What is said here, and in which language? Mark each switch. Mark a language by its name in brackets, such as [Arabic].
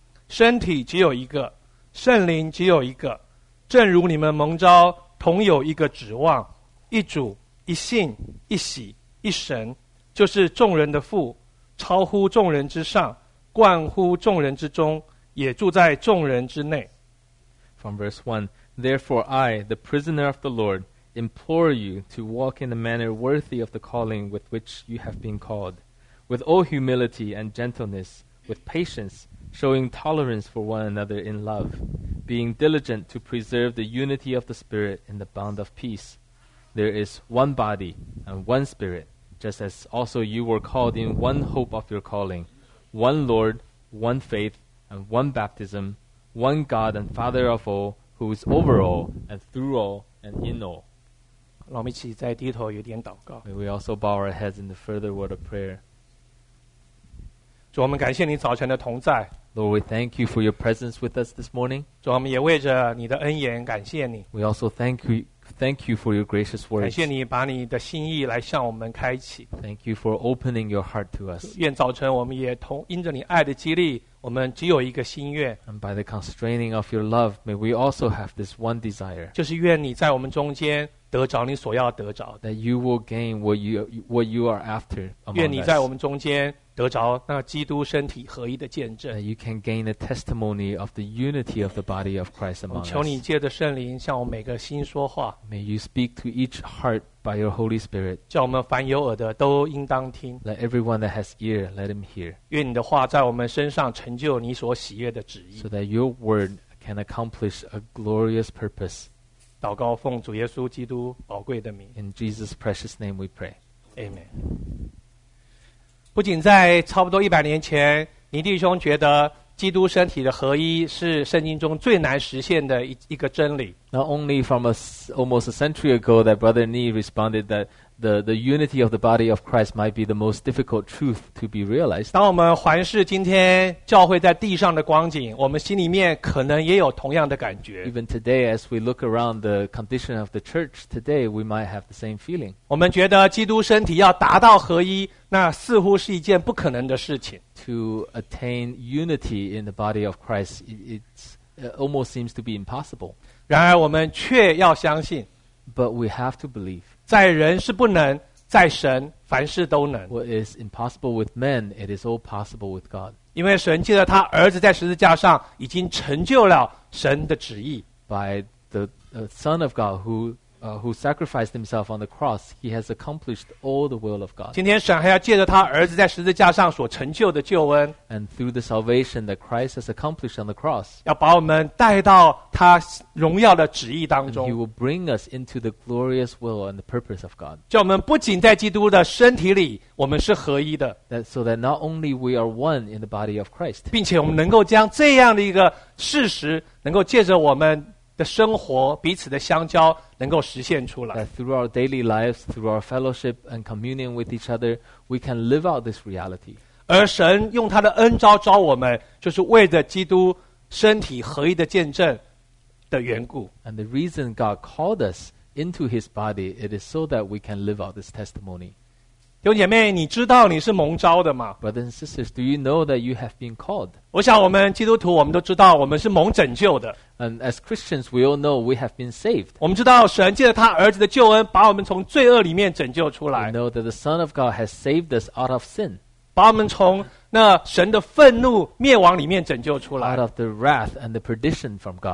[Chinese] 身体只有一个，圣灵只有一个，正如你们蒙召。同有一个指望，一主，一信，一喜，一神，就是众人的父，超乎众人之上，冠乎众人之中，也住在众人之内。 [English] From verse 1, Therefore I, the prisoner of the Lord, implore you to walk in a manner worthy of the calling with which you have been called, with all humility and gentleness, with patience, showing tolerance for one another in love. Being diligent to preserve the unity of the Spirit in the bond of peace. There is one body and one Spirit, just as also you were called in one hope of your calling, one Lord, one faith, and one baptism, one God and Father of all, who is over all, and through all, and in all. [Chinese] 让我们一起再低头有点祷告。 [English] May we also bow our heads in the further word of prayer. [Chinese] 主，我们感谢你早晨的同在。 [English] Lord, we thank you for your presence with us this morning. [Chinese] 主，我们也为着你的恩言感谢你。 [English] We also thank you for your gracious words. [Chinese] 感谢你把你的心意来向我们开启。 [English] Thank you for opening your heart to us. [Chinese] 愿早晨我们也同因着你爱的激励，我们只有一个心愿。 [English] And by the constraining of your love, may we also have this one desire. [Chinese] 就是愿你在我们中间得着你所要得着。 [English] That you will gain what you are after among us. [Chinese] 愿你在我们中间。得着那基督身体合一的见证。 [English] You can gain the testimony of the unity of the body of Christ among us. [Chinese] 求你借着圣灵向我每个心说话。 [English] May you speak to each heart by your Holy Spirit. [Chinese] 叫我们凡有耳的都应当听。 [English] Let everyone that has ear, let him hear. [Chinese] 愿你的话在我们身上成就你所喜悦的旨意。 [English] So that your word can accomplish a glorious purpose. [Chinese] 祷告奉主耶稣基督宝贵的名。 [English] In Jesus' precious name we pray. Amen. [Chinese] 不仅在差不多100年前，尼弟兄觉得基督身体的合一是圣经中最难实现的一个真理。 [English] Not only from almost a century ago that Brother Ni responded that the unity of the body of Christ might be the most difficult truth to be realized. [Chinese] 当我们环视今天教会在地上的光景，我们心里面可能也有同样的感觉。 [English] Even today, as we look around the condition of the church today, we might have the same feeling. [Chinese] 我们觉得基督身体要达到合一，那似乎是一件不可能的事情。 [English] To attain unity in the body of Christ, it almost seems to be impossible. [Chinese] 然而我们却要相信。 [English] But we have to believe. [Chinese] 在人是不能，在神凡事都能。 [English] What is impossible with men, it is all possible with God. [Chinese] 因为神借着他儿子在十字架上已经成就了神的旨意。 [English] By the Son of God who sacrificed himself on the cross, he has accomplished all the will of God. [Chinese] 今天神还要借着他儿子在十字架上所成就的救恩。 [English] And through the salvation that Christ has accomplished on the cross, [Chinese] 要把我们带到他荣耀的旨意当中。 [English] And he will bring us into the glorious will and the purpose of God. [Chinese] 叫我们不仅在基督的身体里，我们是合一的。 [English] That so that not only we are one in the body of Christ, [Chinese] 并且我们能够将这样的一个事实，能够借着我们的生活彼此的相交能够实现出来。 [English] That through our daily lives, through our fellowship and communion with each other, we can live out this reality. [Chinese] 而神用他的恩召召我们，就是为着基督身体合一的见证的缘故。 [English] And the reason God called us into His body, it is so that we can live out this testimony. [Chinese] 弟兄姐妹，你知道你是蒙召的吗 [English] ？Brothers and sisters, do you know that you have been called? [Chinese] 我想我们基督徒，我们都知道我们是蒙拯救的。 [English] And as Christians, we all know we have been saved. [Chinese] 我们知道神借着他儿子的救恩，把我们从罪恶里面拯救出来。 [English] We know that the Son of God has saved us out of sin. [Chinese] 把我们从那神的愤怒灭亡里面拯救出来。 [English] Out of the wrath and the perdition from God.